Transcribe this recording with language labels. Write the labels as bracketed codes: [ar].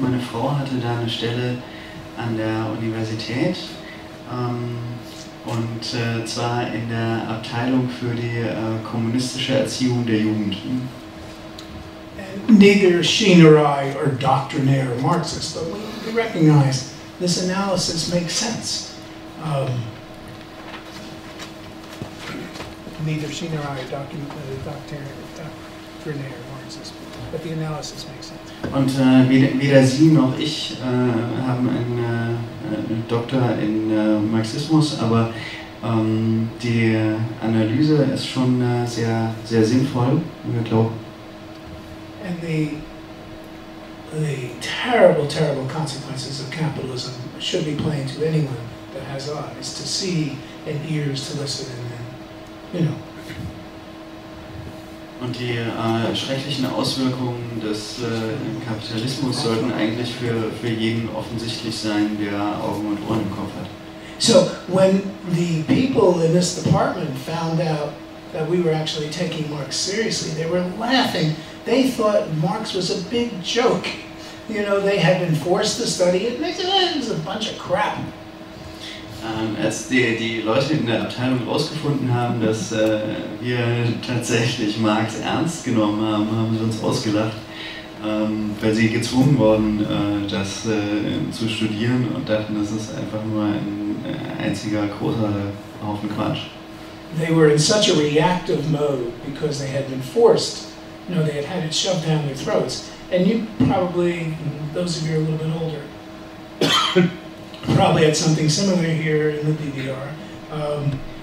[de] Meine Frau hatte da eine Stelle an der Universität. Und zwar in der Abteilung für die kommunistische Erziehung der Jugend. [en] Neither she nor I are doctrinaire Marxists, but we recognize this analysis makes sense. Neither she nor I are doctrinaire Marxists, but the analysis makes sense. [de] Und weder Sie noch ich haben einen Doktor in Marxismus, aber die Analyse ist schon sehr, sehr sinnvoll, wir glauben. [en] And the terrible, terrible consequences of capitalism should be plain to anyone that has eyes to see and ears to listen and then, you know. [de] Und die schrecklichen Auswirkungen des Kapitalismus sollten eigentlich für jeden offensichtlich sein, der Augen und Ohren im Kopf hat. [en] So, when the people in this department found out that we were actually taking Marx seriously, they were laughing. They thought Marx was a big joke. You know, they had been forced to study it. And they said, it was a bunch of crap. [de] Als die Leute in der Abteilung herausgefunden haben, dass wir tatsächlich Marx ernst genommen haben, haben sie uns ausgelacht, weil sie gezwungen wurden, das zu studieren und dachten, das ist einfach nur ein einziger großer Haufen Quatsch. [en] They were in such a reactive mode because they had been forced. You know, they had had it shoved down their throats. And you probably, those of you are a little bit older, probably had something similar here in the DDR.